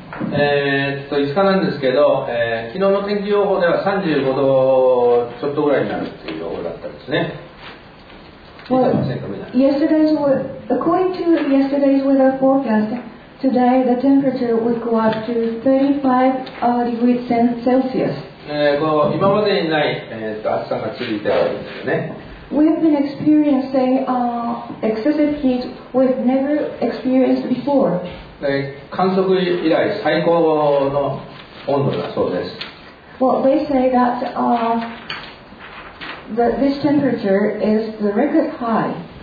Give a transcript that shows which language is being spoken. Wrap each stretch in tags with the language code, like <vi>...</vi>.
<ja>5日なんですけど、昨日の天気予報では35度ちょっとぐらいになるっていう予報だったんですね。</ja> <en>According to yesterday's weather forecast, today the temperature would go up to 35 degrees Celsius.</en> <ja>今までにない、暑さが続いておりますよね。</ja> <en>We've been experiencing excessive heat we've never experienced before.</en> <ja>観測以来最高の温度だそうです。</ja> <en>Well, they say that this temperature is the record high</en>